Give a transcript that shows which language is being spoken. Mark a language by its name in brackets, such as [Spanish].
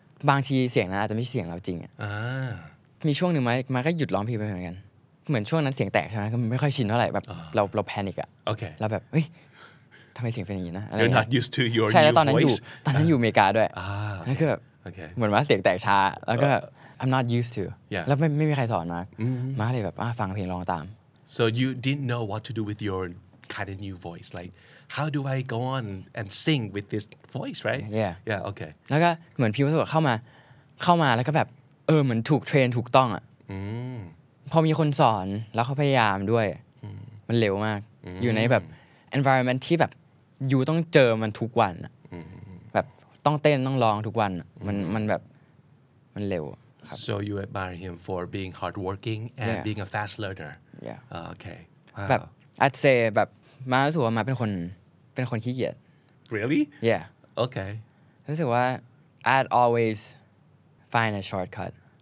[Thai] บางทีเสียงนั้นอาจจะไม่เสียงเราจริงมีช่วงหนึ่งมาก็หยุดร้องเพลงไปเหมือนกันเหมือนช่วงนั้นเสียงแตกใช่ไหมก็ไม่ค่อยชินเท่าไหร่แบบเราแพนิคอะ โอเค เราแบบทำไมเสียงเป็นอย่างนี้นะ [English] You're not used to your new voice [Thai] ใช่ ตอนนั้นอยู่อเมริกาด้วย นั่นคือแบบเหมือนว่าเสียงแตกช้าแล้วก็ [English] I'm not used to yeah. [Thai] แล้วไม่มีใครสอนมามาเลยแบบฟังเพลงลองตาม [English] So you didn't know what to do with your kind of new voice like how do I go on and sing with this voice right Yeah Yeah okay [Thai] แล้วก็เหมือนพี่วัสดุเข้ามาแล้วก็แบบเหมือนถูกเทรนถูกต้องพอมีคนสอนแล้วเขาพยายามด้วยมันเร็วมากอยู่ในแบบenvironment ที่แบบอยู่ต้องเจอมันทุกวันแบบต้องเต้นต้องร้องทุกวันมันแบบมันเร็วครับ [English] so you admire him for being hardworking and yeah. being a fast learner yeah okay [Thai] wow. แบบ [English] I'd say [Thai] แบบมารู้สึกว่ามาเป็นคนขี้เกียจ [English] really yeah okay [Thai] รู้สึกว่า [English] I'd always find a shortcut